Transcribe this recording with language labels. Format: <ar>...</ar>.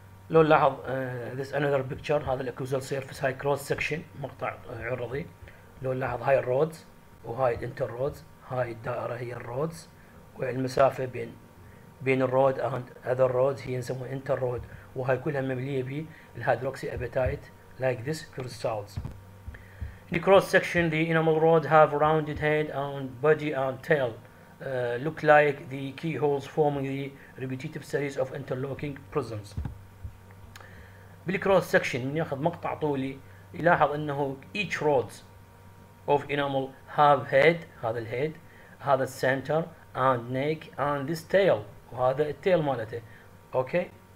<ar>لو نلاحظ</ar> <en>this another picture،</en> <ar>هذا الاكوزال سيرفيس، هاي كروس سكشن مقطع عرضي. لو نلاحظ هاي الرودز وهاي الانتر رودز، هاي الدائرة هي الرودز، والمسافة بين الرود اند اذر رودز هي نسموها انتر رود، وهي كلها مبنيه بالهيدروكسي ابيتايت لايك ذس كريستالز.</ar> <en>In cross section the enamel rod have rounded head and body and tail look like the keyholes forming the repetitive series of interlocking prisms.</en> <ar>بالكروس سكشن من ياخذ مقطع طولي يلاحظ انه</ar> <en>each rods of enamel have head،</en> <ar>هذا الهيد، هذا السنتر</ar> <en>and neck and this tail،</en> <ar>وهذا التيل مالته اوكي.</ar>